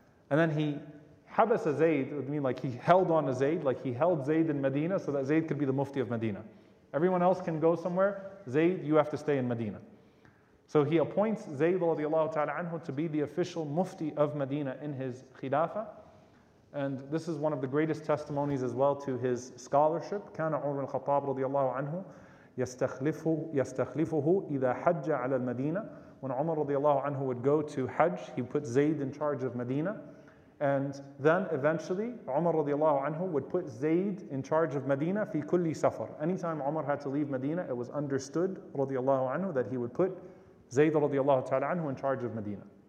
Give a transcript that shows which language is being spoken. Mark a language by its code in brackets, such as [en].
[en] And then he [ar] حَبَسَ زَيْد, [en] would mean like he held on to Zayd, like he held Zayd in Medina so that Zayd could be the Mufti of Medina. Everyone else can go somewhere, Zayd, you have to stay in Medina. So he appoints Zayd radiallahu ta'ala anhu to be the official Mufti of Medina in his khilafah. And this is one of the greatest testimonies as well to his scholarship. [ar] كان عمر الخطاب رضي الله عنه يستخلفه إذا حج على المدينة. [en] When Umar رضي الله عنه would go to Hajj, he put Zayd in charge of Medina. And then eventually, Umar رضي الله عنه would put Zayd in charge of Medina [ar] في كل سفر. [en] Anytime Umar had to leave Medina, it was understood رضي الله عنه that he would put Zayd radiallahu ta'ala anhu in charge of Medina.